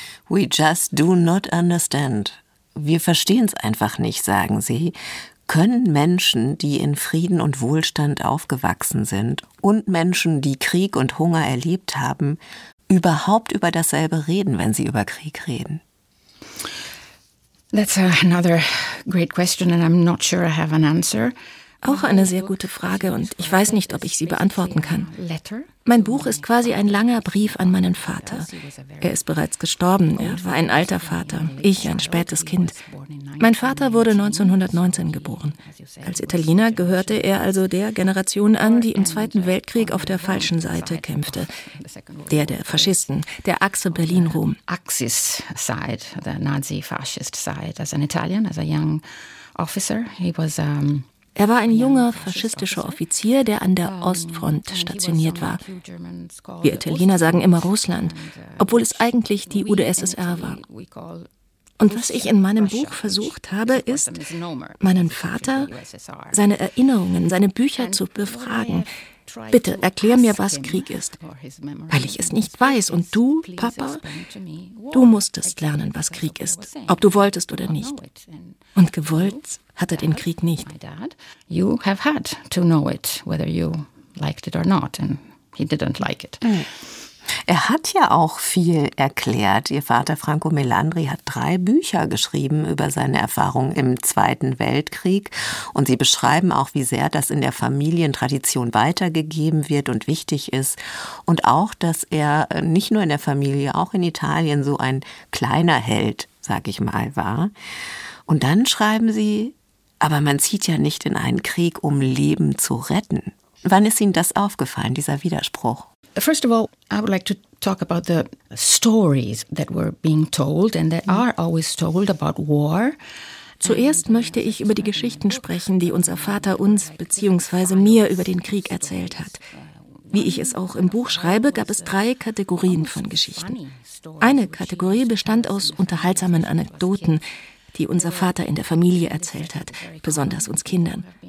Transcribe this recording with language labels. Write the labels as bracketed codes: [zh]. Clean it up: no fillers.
[en] We just do not understand. [de] Wir verstehen es einfach nicht, sagen sie. Können Menschen, die in Frieden und Wohlstand aufgewachsen sind und Menschen, die Krieg und Hunger erlebt haben, überhaupt über dasselbe reden, wenn sie über Krieg reden? [en] That's another great question and I'm not sure I have an answer. [de] Auch eine sehr gute Frage und ich weiß nicht, ob ich sie beantworten kann. Mein Buch ist quasi ein langer Brief an meinen Vater. Er ist bereits gestorben, er war ein alter Vater, ich ein spätes Kind. Mein Vater wurde 1919 geboren. Als Italiener gehörte er also der Generation an, die im Zweiten Weltkrieg auf der falschen Seite kämpfte. Der Faschisten, der Achse Berlin-Rom. [en] Axis side, the Nazi-Fascist side, as an Italian, as a young officer, he was... [de] Er war ein junger faschistischer Offizier, der an der Ostfront stationiert war. Wir Italiener sagen immer Russland, obwohl es eigentlich die UdSSR war. Und was ich in meinem Buch versucht habe, ist, meinen Vater, seine Erinnerungen, seine Bücher zu befragen. Bitte erklär mir, was Krieg ist, weil ich es nicht weiß. Und du, Papa, du musstest lernen, was Krieg ist, ob du wolltest oder nicht. Und gewollt hat er den Krieg nicht. [en] You have had to know it, whether you liked it or not, and he didn't like it. [de] Er hat ja auch viel erklärt. Ihr Vater Franco Melandri hat 3 Bücher geschrieben über seine Erfahrungen im Zweiten Weltkrieg. Und sie beschreiben auch, wie sehr das in der Familientradition weitergegeben wird und wichtig ist. Und auch, dass er nicht nur in der Familie, auch in Italien so ein kleiner Held, sag ich mal, war. Und dann schreiben sie, aber man zieht ja nicht in einen Krieg, um Leben zu retten. Wann ist Ihnen das aufgefallen, dieser Widerspruch? [en] First of all, I would like to talk about the stories that were being told and that are always told about war. [de] Zuerst möchte ich über die Geschichten sprechen, die unser Vater uns bzw. mir über den Krieg erzählt hat. Wie ich es auch im Buch schreibe, gab es 3 Kategorien von Geschichten. Eine Kategorie bestand aus unterhaltsamen Anekdoten, die unser Vater in der Familie erzählt hat, besonders uns Kindern.